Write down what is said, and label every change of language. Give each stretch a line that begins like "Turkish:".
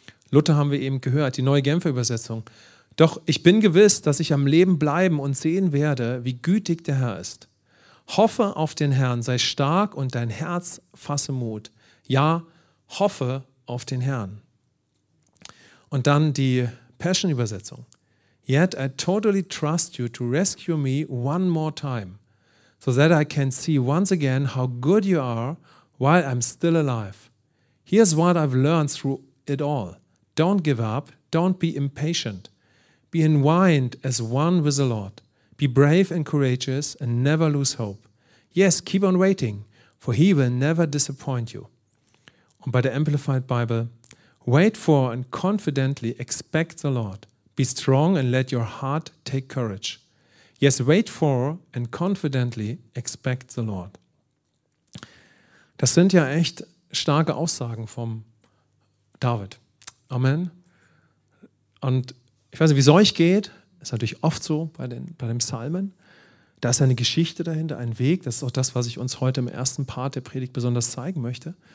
German: Luther haben wir eben gehört, die Neue Genfer Übersetzung. Doch ich bin gewiss, dass ich am Leben bleiben und sehen werde, wie gütig der Herr ist. Hoffe auf den Herrn, sei stark und dein Herz fasse Mut. Ja, hoffe auf den Herrn. Und dann die Passion Übersetzung.
English: Yet I totally trust you to rescue me one more time, so that I can see once again how good you are while I'm still alive. Here's what I've learned through it all. Don't give up. Don't be impatient. Be entwined as one with the Lord. Be brave and courageous and never lose hope. Yes, keep on waiting, for he will never disappoint you.
German: Und bei der Amplified Bible,
English: Wait for and confidently expect the Lord. Be strong and let your heart take courage. Yes, wait for and confidently expect the Lord.
German: Das sind ja echt starke Aussagen vom David. Amen. Und ich weiß nicht, wie es euch geht. Ist natürlich oft so bei den Psalmen. Da ist eine Geschichte dahinter, ein Weg. Das ist auch das, was ich uns heute im ersten Part der Predigt besonders zeigen möchte.